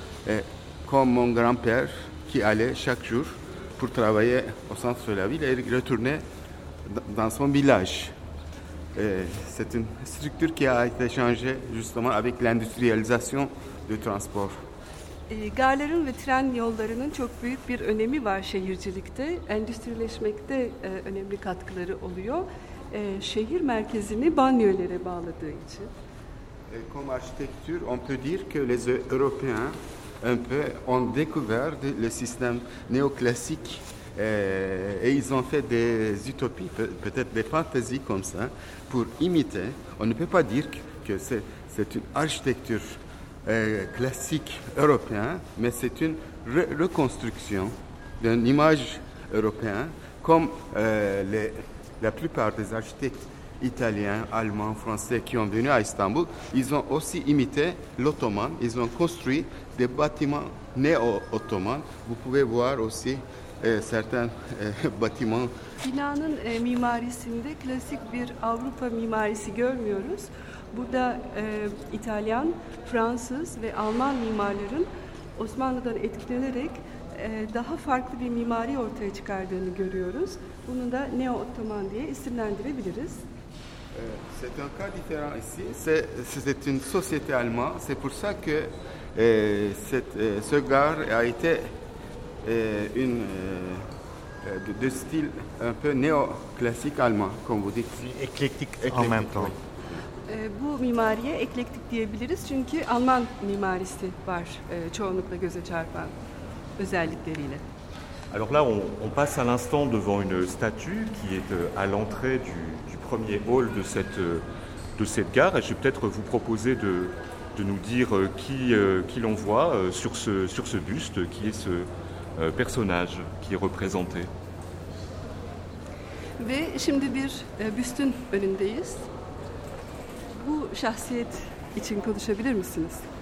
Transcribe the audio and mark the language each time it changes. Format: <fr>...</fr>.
<fr>Et comme mon grand-père qui allait chaque jour pour travailler au centre de la ville et retournait dans son village. Et c'est une structure qui a été changée justement avec l'industrialisation du transport.</fr> <tr>Garların ve tren yollarının çok büyük bir önemi var şehircilikte. Endüstrileşmekte önemli katkıları oluyor. Şehir merkezini banyolere bağladığı için.</tr> <fr>Et comme architecture, on peut dire que les Européens un peu ont découvert le système néoclassique et ils ont fait des utopies, peut-être des fantaisies comme ça, pour imiter. On ne peut pas dire que c'est une architecture classique européenne, mais c'est une reconstruction d'une image européenne, comme la plupart des architectes italiens, allemands, français qui ont venu à Istanbul, ils ont aussi imité l'ottoman, ils ont construit des bâtiments néo-ottomans. Vous pouvez voir aussi certains bâtiments.</fr> <tr>Binanın mimarisinde klasik bir Avrupa mimarisi görmüyoruz. Burada İtalyan, Fransız ve Alman mimarların Osmanlı'dan etkilenerek daha farklı bir mimari ortaya çıkardığını görüyoruz. Bunu da neo-ottoman diye isimlendirebiliriz.</tr> <fr>C'est un cas différent ici. C'est une société allemande. C'est pour ça que ce gare a été de style un peu néoclassique allemand, comme vous dites. Éclectique en même temps.</fr> <tr>Bu mimariye eklektik diyebiliriz çünkü Alman mimarisi var çoğunlukla göze çarpan özellikleriyle.</tr> <fr>Alors là, on passe à l'instant devant une statue qui est à l'entrée du premier hall de cette gare. Et je vais peut-être vous proposer de nous dire qui l'on voit sur ce buste, qui est ce personnage qui est représenté.</fr> <tr>Ve şimdi bir büstün önündeyiz. Bu şahsiyet için konuşabilir misiniz?</tr>